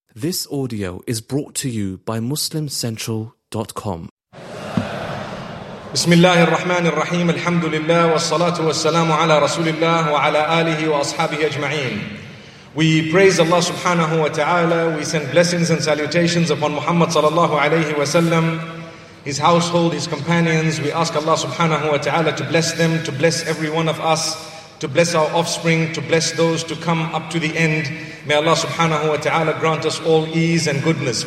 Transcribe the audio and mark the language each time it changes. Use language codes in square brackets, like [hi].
[en] This audio is brought to you by MuslimCentral.com. [ar] بسم الله الرحمن الرحيم الحمد لله والصلاة والسلام على رسول الله وعلى آله وأصحابه أجمعين. [en] We praise Allah subhanahu wa ta'ala. We send blessings and salutations upon Muhammad sallallahu alayhi wa sallam, his household, his companions. We ask Allah subhanahu wa ta'ala to bless them, to bless every one of us, to bless our offspring, to bless those to come up to the end. May Allah subhanahu wa ta'ala grant us all ease and goodness.